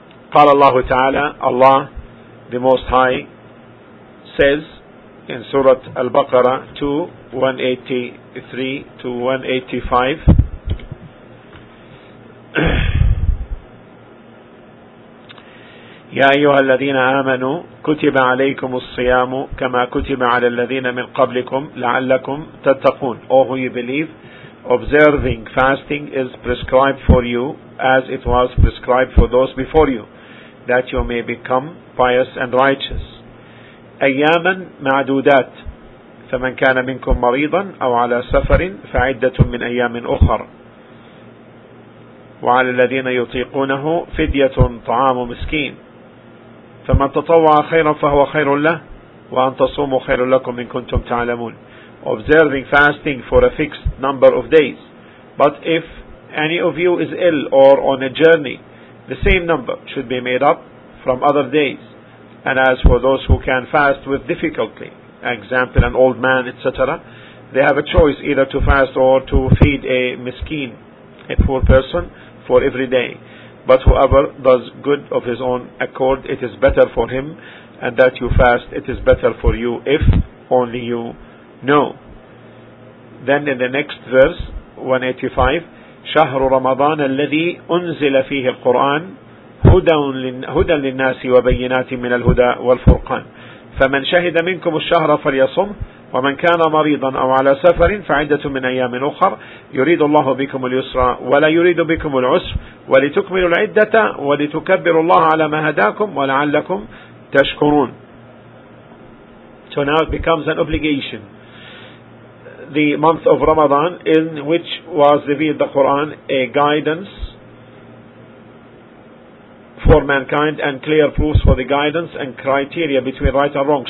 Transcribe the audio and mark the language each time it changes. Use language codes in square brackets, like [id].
[ar] قال الله تعالى, [en] Allah the Most High says in Surah Al-Baqarah 2:183-185, [ar] يَا أَيُّهَا الَّذِينَ آمَنُوا كُتِبَ عَلَيْكُمُ الصِّيَامُ كَمَا كُتِبَ عَلَى الَّذِينَ مِنْ قَبْلِكُمْ لَعَلَّكُمْ تَتَّقُونَ. [en] O who you believe, observing fasting is prescribed for you as it was prescribed for those before you, that you may become pious and righteous. [ar] أياما معدودات, فمن كان منكم مريضا أو على سفر فعدة من أيام أخر, وعلى الذين يطيقونه فدية طعام مسكين, فمن تطوع خيرا فهو خير له, وأن تصوموا خير لكم إن كنتم تعلمون. [en] Observing fasting for a fixed number of days, but if any of you is ill or on a journey, the same number should be made up from other days. And as for those who can fast with difficulty, example an old man, etc., they have a choice either to fast or to feed a miskeen, a poor person, for every day. But whoever does good of his own accord, it is better for him, and that you fast, it is better for you, if only you know. Then in the next verse, 185, [ar] شهر رمضان الذي أنزل فيه القرآن هدى للناس وبينات من الهدى والفرقان فمن شهد منكم الشهر فليصم ومن كان مريضا أو على سفر فعدة من أيام أخر يريد الله بكم اليسر ولا يريد بكم العسر ولتكملوا العدة ولتكبروا الله على ما هداكم ولعلكم تشكرون. [en] So now it becomes an obligation, the month of Ramadan, in which was revealed the Quran, a guidance for mankind and clear proofs for the guidance and criteria between right and wrong.